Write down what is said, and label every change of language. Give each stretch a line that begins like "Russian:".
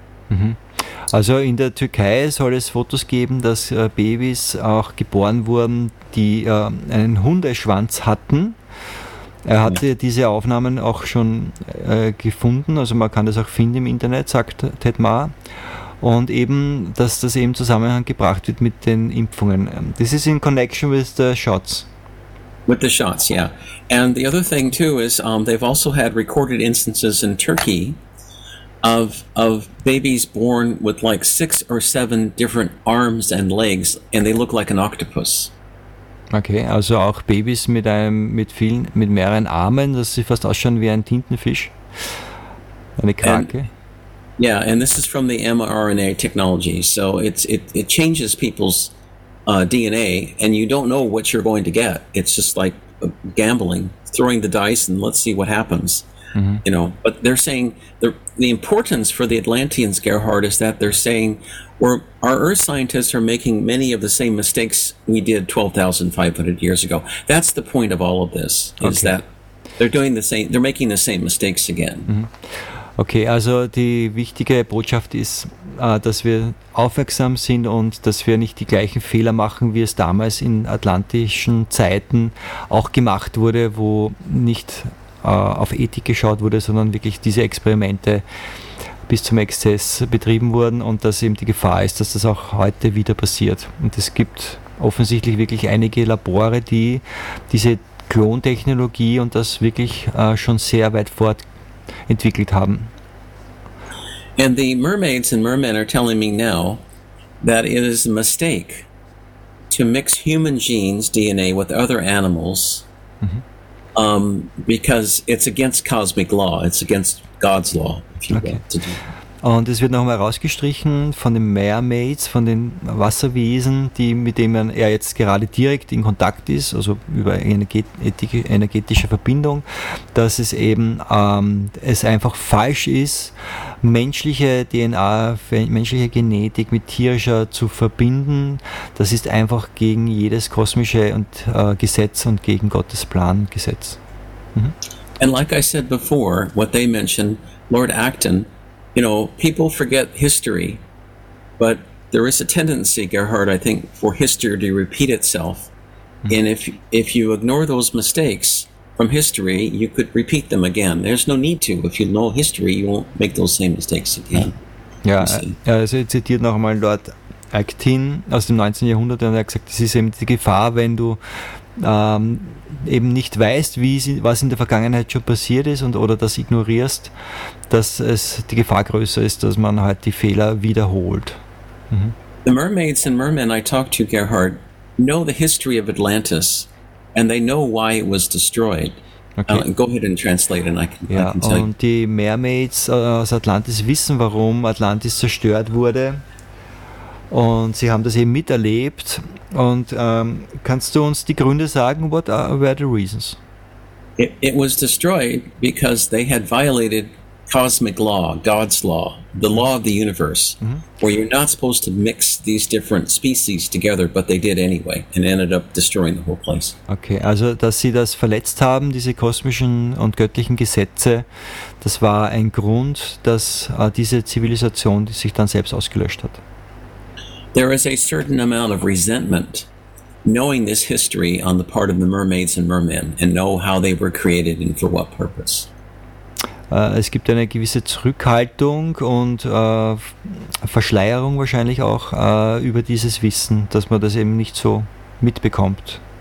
German: Mm-hmm. Also in der Türkei soll es Fotos geben, dass Babys auch geboren wurden, die einen Hundeschwanz hatten. Er hatte diese Aufnahmen auch schon gefunden, also man kann das auch finden im Internet, sagt Ted Maher. Und eben, dass das eben Zusammenhang gebracht wird mit den Impfungen.
English: This is in connection with the shots. With the shots, yeah. And the other thing too is they've also had recorded instances in Turkey of babies born with like 6 or 7 different arms and legs and they look like an octopus.
German: Okay, also auch Babys mit mehreren Armen, dass sie fast ausschauen wie ein Tintenfisch, eine Krake.
English: Yeah, and this is from the mRNA technology, so it changes people's DNA, and you don't know what you're going to get. It's just like gambling, throwing the dice, and let's see what happens. Mm-hmm. You know, but they're saying the importance for the Atlanteans, Gerhard, is that they're saying our Earth scientists are making many of the same mistakes we did 12,500 years ago. That's the point of all of this, is okay. That they're doing the same. They're making the same mistakes again. Mm-hmm.
German: Okay, also die wichtige Botschaft ist, dass wir aufmerksam sind und dass wir nicht die gleichen Fehler machen, wie es damals in atlantischen Zeiten auch gemacht wurde, wo nicht auf Ethik geschaut wurde, sondern wirklich diese Experimente bis zum Exzess betrieben wurden und dass eben die Gefahr ist, dass das auch heute wieder passiert. Und es gibt offensichtlich wirklich einige Labore, die diese Klontechnologie und das wirklich schon sehr weit fortgehen. Entwickelt haben.
English: And the mermaids and mermen are telling me now that it is a mistake to mix human genes, DNA, with other animals, mm-hmm. Because it's against cosmic law, it's against God's law, if you okay. will.
German: Und es wird nochmal rausgestrichen von den Mermaids, von den Wasserwesen, die, mit denen er jetzt gerade direkt in Kontakt ist, also über energetische Verbindung, dass es eben es einfach falsch ist, menschliche DNA, menschliche Genetik mit tierischer zu verbinden. Das ist einfach gegen jedes kosmische und, Gesetz und gegen Gottes Plan Gesetz. Mhm.
English: And like I said before, what they mentioned, Lord Acton, you know, people forget history, but there is a tendency, Gerhard, I think, for history to repeat itself. Mm-hmm. And if you ignore those mistakes from history, you could repeat them again. There's no need to. If you know history, you won't make those same mistakes again.
German: Ja, also ich zitiere nochmal Lord Acton aus dem 19. Jahrhundert, und er hat gesagt, es ist eben die Gefahr, wenn du eben nicht weißt, was in der Vergangenheit schon passiert ist oder das ignorierst, dass es die Gefahr größer ist, dass man halt die Fehler wiederholt. Mhm.
English: The mermaids and mermen I talked to, Gerhard, know the history of Atlantis and they know why it was destroyed. Okay. Go ahead and translate and I can,
German: ja,
English: I can tell
German: und Die Mermaids aus Atlantis wissen, warum Atlantis zerstört wurde und sie haben das eben miterlebt. Und kannst du uns die Gründe sagen?
English: What were the reasons? It was destroyed because they had violated cosmic law, God's law, the law of the universe, mm-hmm. where you're not supposed to mix these different species together, but they did anyway and ended up destroying the whole place.
German: Okay, also dass sie das verletzt haben, diese kosmischen und göttlichen Gesetze, das war ein Grund, dass diese Zivilisation die sich dann selbst ausgelöscht hat.
English: There is a certain amount of resentment knowing this history on the part of the mermaids and mermen and know how they were created and for what purpose.
German: Es gibt eine gewisse Zurückhaltung und Verschleierung wahrscheinlich auch über dieses Wissen, dass man das eben nicht so mitbekommt.